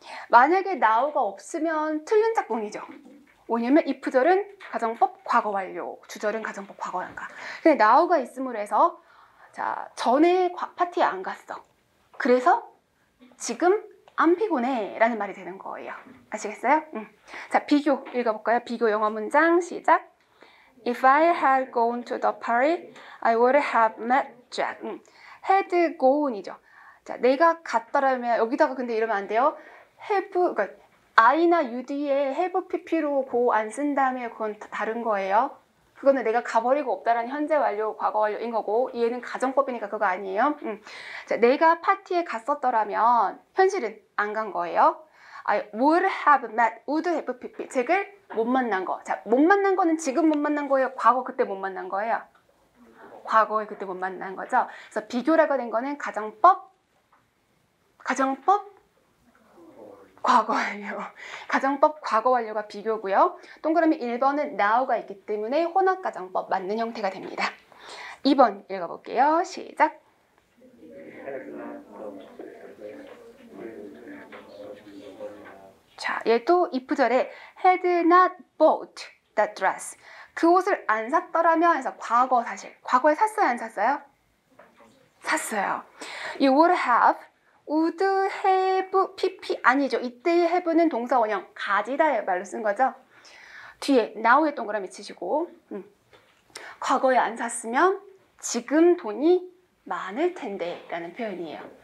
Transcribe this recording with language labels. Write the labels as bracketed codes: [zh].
[ko] 만약에 now가 없으면 틀린 작품이죠. 왜냐면 if절은 가정법 과거 완료, 주절은 가정법 과거인가. 근데 now가 있음으로 해서 자, 전에 파티에 안 갔어. 그래서 지금 안 피곤해 라는 말이 되는 거예요. 아시겠어요? 자, 비교 읽어볼까요? 비교 영어 문장 시작. [en] If I had gone to the party, I would have met Jack. Had gone이죠. [ko] 자, 내가 갔더라면 여기다가 근데 이러면 안 돼요. Have, 그러니까 I나 UD에 have PP로 go 안 쓴 다음에 그건 다른 거예요. 그거는 내가 가버리고 없다라는 현재 완료, 과거 완료인 거고, 얘는 가정법이니까 그거 아니에요. 자, 내가 파티에 갔었더라면 현실은 안 간 거예요. [en] I would have met, would have been, [ko] 즉을 못 만난 거. 자, 못 만난 거는 지금 못 만난 거예요? 과거 그때 못 만난 거예요? 과거에 그때 못 만난 거죠. 그래서 비교라고 된 거는 가정법 과거예요. 가정법 과거 완료가 비교고요. 동그라미 1번은 now가 있기 때문에 혼합 가정법 맞는 형태가 됩니다. 2번 읽어볼게요. 시작. [en] Had not. [ko] 자, 얘도 [en] if절에 had not bought that dress. [ko] 그 옷을 안 샀더라면 해서 과거 사실. 과거에 샀어요, 안 샀어요? 샀어요. [en] You would have, would have, pp [ko] 아니죠. 이때의 have는 동사 원형 가지다의 말로 쓴 거죠. 뒤에 now의 동그라미 치시고 과거에 안 샀으면 지금 돈이 많을 텐데 라는 표현이에요.